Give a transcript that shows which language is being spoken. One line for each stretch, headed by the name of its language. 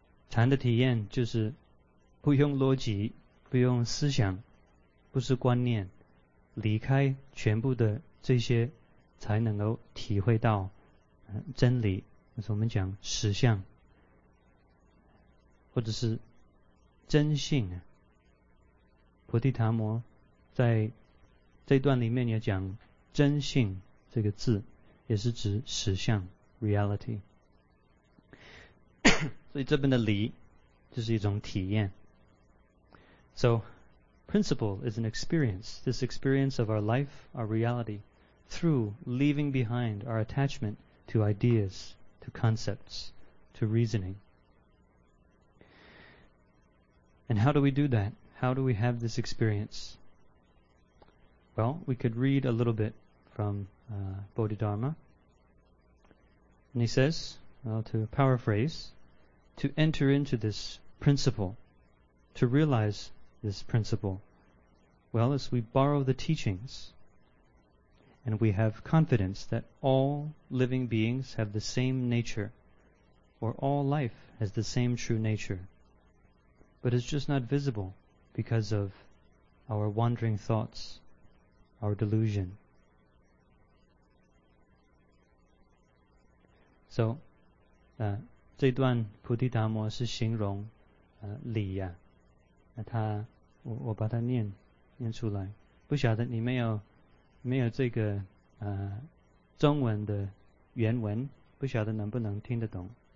Chinese: 禅的体验就是不用逻辑，不用思想，不是观念，离开全部的这些才能够体会到真理，就是我们讲实相或者是真性。菩提达摩在这段里面也讲真性这个字，也是指实相 reality。所以这边的离就是一种体验。
English: So principle is an experience, this experience of our life, our reality, through leaving behind our attachment to ideas, to concepts, to reasoning. And how do we do that? How do we have this experience? Well, we could read a little bit from Bodhidharma. And he says, well, to paraphrase, to enter into this principle, to realize this principle, well, as we borrow the teachings, and we have confidence that all living beings have the same nature, or all life has the same true nature, but it's just not visible because of our wandering thoughts, our delusion.
Chinese: So, 这段菩提达摩是形容理呀，那他我把它念出来，不晓得你没有这个中文的原文，不晓得能不能听得懂。